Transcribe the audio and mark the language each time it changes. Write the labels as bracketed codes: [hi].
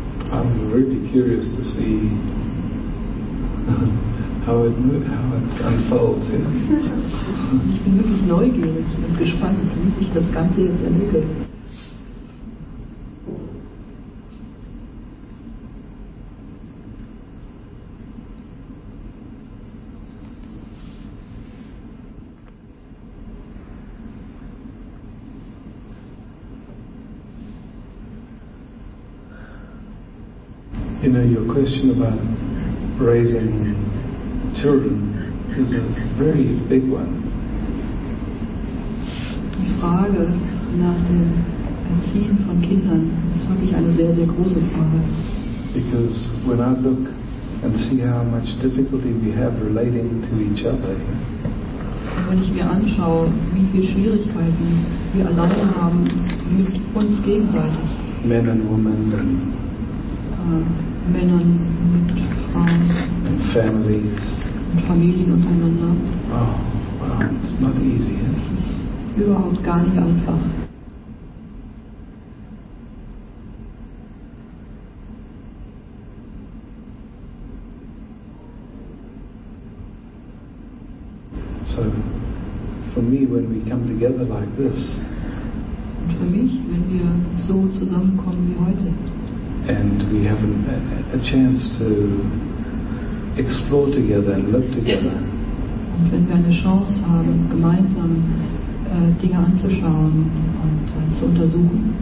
[en] I'm really curious to see how it unfolds. [de] Ich bin wirklich neugierig und gespannt, wie sich das Ganze jetzt entwickelt. [en] You know, your question about raising children is a very big one. [de] Die Frage nach dem Erziehen von Kindern ist wirklich eine sehr, sehr große Frage. [en] Because when I look and see how much difficulty we have relating to each other, [de] wenn ich mir anschaue, wie viele Schwierigkeiten wir alleine haben mit uns gegenseitig, [en] men and women and [de] Männern mit Frauen, [en] families, [de] und Familien untereinander. [en] Oh, wow, it's not easy. [de] Es ist überhaupt gar nicht einfach. [en] So, for me, when we come together like this. [de] Und für mich, wenn wir so zusammenkommen wie heute. [en] And we have a chance to explore together and live together. [de] Und wenn wir eine Chance haben, gemeinsam Dinge anzuschauen und zu untersuchen.